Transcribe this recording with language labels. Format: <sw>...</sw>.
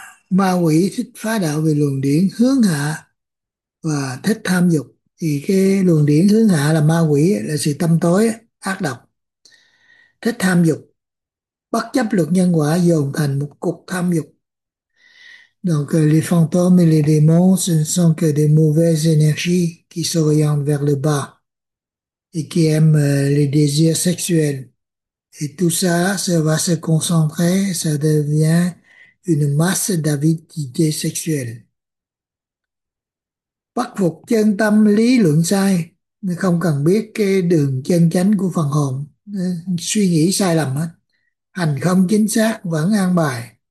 <vi>Ma quỷ thích phá đạo vì luồng điển hướng hạ và thích tham dục. Thì cái luồng điển hướng hạ là ma quỷ, là sự tâm tối, ác độc. Thích tham dục, bất chấp luật nhân quả dồn thành một cục tham dục.</vi> <fr>Donc les fantômes et les démons, ce ne sont que des mauvaises énergies qui s'orientent vers le bas et qui aiment les désirs sexuels. Et tout ça, ça va se concentrer, ça devient une masse d'avidité sexuelle.</fr> <vi>Bất phục chân tâm lý luận sai, không cần biết cái đường chân chánh của phần hồn, suy nghĩ sai lầm hết. Hành không chính xác vẫn an bài.</vi>